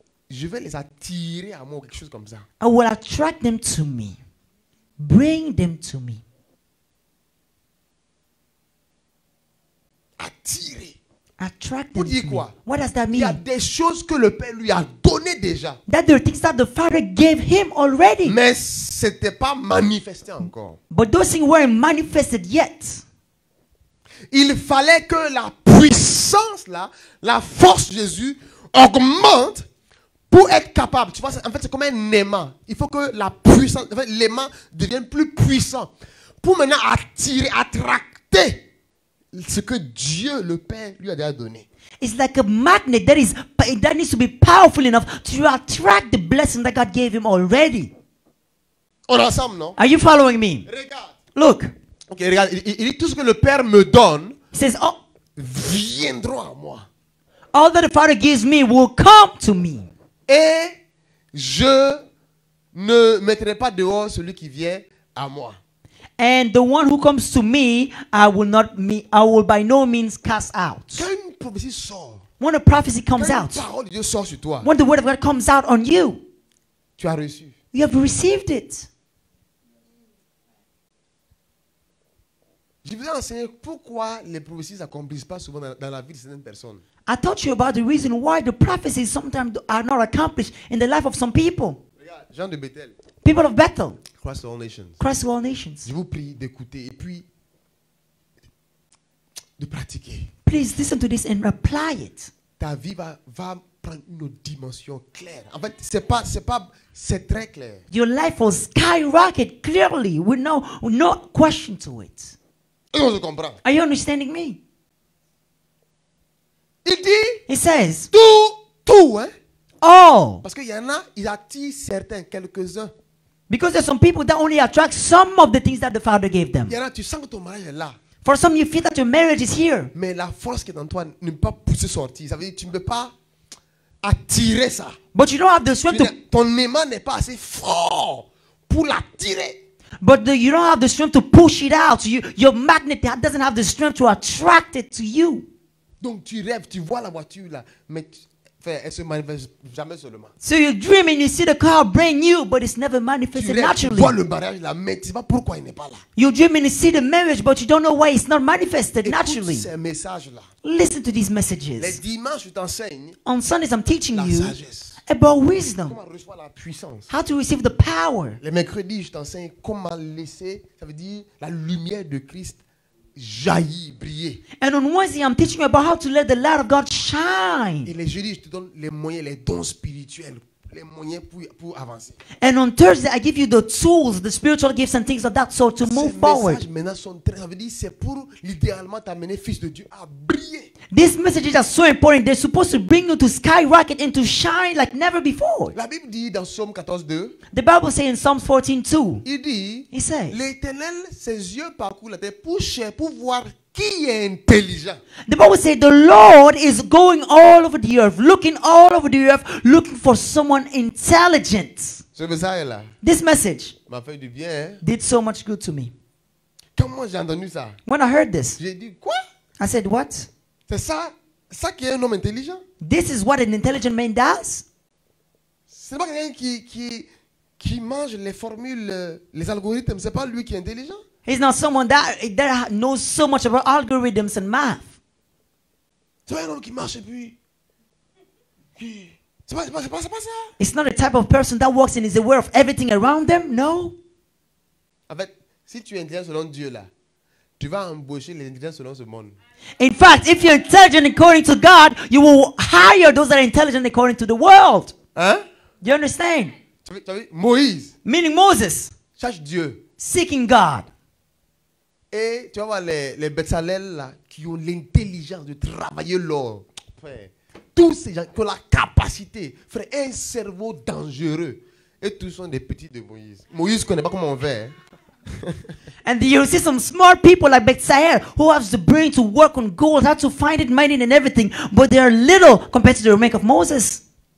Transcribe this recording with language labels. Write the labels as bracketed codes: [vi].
[fr] Je vais les attirer à moi, quelque chose comme ça. [en] I will attract them to me. Bring them to me. [fr] Attirer. [en] Attract them. [fr] Vous dites quoi? [en] Me. What does that mean? [fr] Il y a des choses que le Père lui a donné déjà. [en] That the things that the Father gave him already. [fr] Mais c'était pas manifesté encore. [en] But those things weren't manifested yet. [fr] Il fallait que la puissance là, la force Jésus augmente. Pour être capable, tu vois, en fait, c'est comme un aimant. Il faut que la puissance, en fait, l'aimant devienne plus puissant. Pour maintenant attirer, attracter ce que Dieu, le Père, lui a déjà donné. [en] It's like a magnet that needs to be powerful enough to attract the blessing that God gave him already. [fr] On est ensemble, non? [en] Are you following me? [fr] Regarde. [en] Look. [fr] Ok, regarde. Il dit tout ce que le Père me donne. [en] He says, oh. [fr] Viendra à moi. [en] All that the Father gives me will come to me. [fr] Et je ne mettrai pas dehors celui qui vient à moi. [en] And the one who comes to me, I will by no means cast out. [fr] Quand une prophétie sort, [en] when a prophecy comes [fr] out, quand une parole de Dieu sort sur toi, [en] when the word of God comes out on you, [fr] tu as reçu. [en] You have received it. [fr] Je vous ai enseigné pourquoi les prophéties n'accomplissent pas souvent dans la vie de certaines personnes. [en] I taught you about the reason why the prophecies sometimes are not accomplished in the life of some people. [fr] Regarde, gens de Bethel. [en] People of Bethel. Cross all nations. Cross all nations. [fr] Je vous prie d'écouter et puis de pratiquer. [en] Please listen to this and apply it. [fr] Ta vie va prendre une dimension claire. En fait, c'est pas c'est très clair. [en] Your life will skyrocket clearly with no question to it. [fr] Et on se comprend. [en] Are you understanding me? [fr] Il dit, [en] he says, [fr] tout, hein? [en] All. [fr] Parce qu'il y en a, il attire certains, quelques-uns. [en] Because there's some people that only attract some of the things that the Father gave them. [fr] Il y en a, tu sens que ton mariage est là. [en] For some, you feel that your marriage is here. [fr] Mais la force qui est dans toi ne peut pas pousser sortir. Ça veut dire que tu ne peux pas attirer ça. [en] But you don't have the strength [fr] ton aimant n'est pas assez fort pour l'attirer. [en] But you don't have the strength to push it out. Your magnet doesn't have the strength to attract it to you. [fr] Donc tu rêves, tu vois la voiture là, mais faire, elle se manifeste jamais seulement. [en] So you dream and you see the car brand new, but it's never manifested [fr] tu [en] naturally. [fr] Tu vois le mariage, la mère, tu sais pas pourquoi il n'est pas là. [en] You dream and you see the marriage, but you don't know why it's not manifested [fr] Écoute [en] naturally. [fr] Écoute ces messages là. [en] Listen to these messages. [fr] Les dimanches, je t'enseigne. [en] On Sundays, I'm teaching [fr] la [en] you. [fr] La sagesse. [en] About wisdom. [fr] Comment reçoit la puissance? [en] How to receive the power? [fr] Les mercredis, je t'enseigne comment laisser, ça veut dire la lumière de Christ jaillir, briller. [en] And on Wednesday, I'm teaching you about how to let the light of God shine. [fr] Et les jeudis, je te donne les moyens, les dons spirituels, les moyens pour avancer. [en] And on Thursday, I give you the tools, the spiritual gifts and things of that sort to [fr] ces [en] move forward. [fr] Ces messages maintenant sont très, ça veut dire c'est pour littéralement t'amener fils de Dieu à briller. [en] These messages are so important. They're supposed to bring you to skyrocket and to shine like never before. [fr] La Bible dit dans Psaume 14:2. [en] The Bible says in Psalms 14:2. [fr] Il dit. [en] He says. [fr] L'Éternel ses yeux parcourent la terre pour chercher pour voir qui est intelligent. [en] The Bible says the Lord is going all over the earth, looking all over the earth, looking for someone intelligent. [fr] Ce message là. [en] This message. [fr] M'a fait du bien. [en] Did so much good to me. [fr] Quand moi j'ai entendu ça. [en] When I heard this. [fr] J'ai dit quoi? [en] I said what? [fr] C'est ça qui est un homme intelligent. [en] This is what an intelligent man does. [fr] C'est pas quelqu'un qui mange les formules, les algorithmes. C'est pas lui qui est intelligent. [en] He's not someone that knows so much about algorithms and math. [fr] C'est pas un homme qui marche et puis. C'est pas ça. [en] It's not the type of person that walks and is aware of everything around them. No. [fr] En fait, si tu es intelligent selon Dieu là, tu vas embaucher les intelligents selon ce monde. [en] In fact, if you're intelligent according to God, you will hire those that are intelligent according to the world. [fr] Hein? [en] You understand? [fr] Moïse. [en] Meaning Moses. [fr] Cherche Dieu. [en] Seeking God. [fr] Et tu vas voir les Bezalel là qui ont l'intelligence de travailler l'or. Frère, tous ces gens qui ont la capacité, frère, un cerveau dangereux. Et tous sont des petits de Moïse. Moïse connaît pas comment on fait. Hein? [en] And you see some smart people like Bezalel who have the brain to work on gold, how to find it, mining and everything, but they are little compared to the remake of Moses.